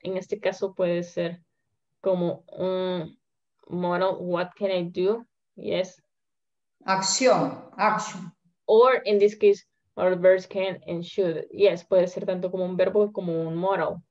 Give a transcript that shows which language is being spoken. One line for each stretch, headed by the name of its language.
Spanish: En este caso puede ser como un model.
English: What can I do? Yes.
Spanish: Acción.
English: Action. Or in this case, our verbs can and should.
Spanish: Yes, puede ser tanto como un verbo como un model.